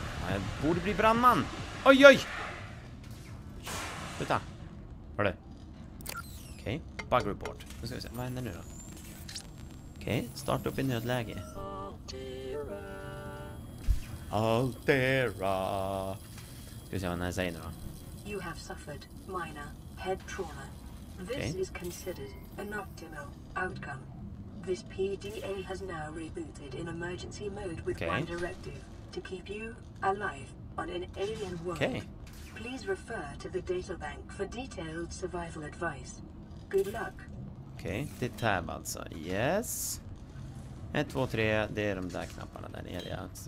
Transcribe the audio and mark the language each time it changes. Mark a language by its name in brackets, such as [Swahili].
[Swedish] Jag borde bli brandman! Oj, oj! Sluta! Hörru! Okej, bug report. Nu ska vi se, vad händer nu då? Okej, starta upp i nödläge. Altera. Ska vi se vad den här säger nu då. [English] You have suffered minor head trauma. This is considered an optimal outcome. This PDA has now rebooted in emergency mode with one directive to keep you alive on an alien world. Please refer to the data bank for detailed survival advice. Good luck. [Swedish] Det tab alltså. Yes. 1, 2, 3, det är de där knapparna där nere.